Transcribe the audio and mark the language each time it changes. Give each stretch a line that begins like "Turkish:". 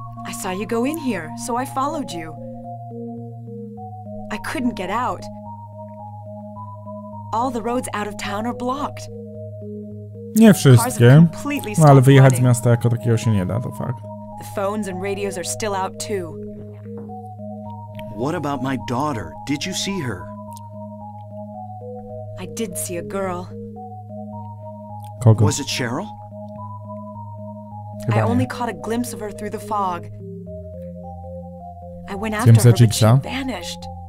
English: I saw you go in here, so I followed you. I couldn't get out. All the roads out of town are blocked.
Polish: Nie wszystkie. No, ale wyjechać z miasta jako takiego się nie da, to fakt.
English: The phones and radios are still out too. What about my daughter? Did you see her? I did see a girl.
Polish: Kogo?
English: Was it Cheryl? I only caught a glimpse of her through the fog. I went after her, but she vanished.